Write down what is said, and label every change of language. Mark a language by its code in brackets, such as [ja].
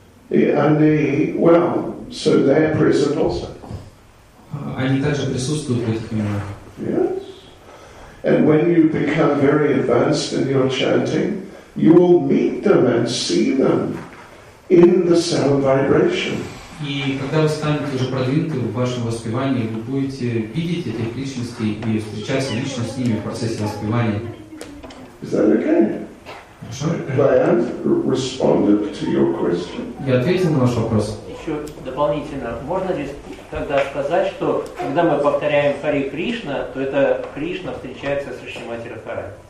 [ru] И они, [en] well, so they are present also. [ru] Они также присутствуют в этих именах. [en] Yes. And when you become very advanced in your chanting, you will meet them and see them in the sound vibration. [ru] И когда вы станете уже продвинутым в вашем воспевании, вы будете видеть этих личностей и встречаться лично с ними в процессе воспевания. [en] Is that okay? [ru] Хорошо. [en] Responded to your question. [ru] Я ответил на ваш вопрос. Еще дополнительно, можно ли тогда сказать, что когда мы повторяем Хари Кришна, то это Кришна встречается с Шримати Радхарани?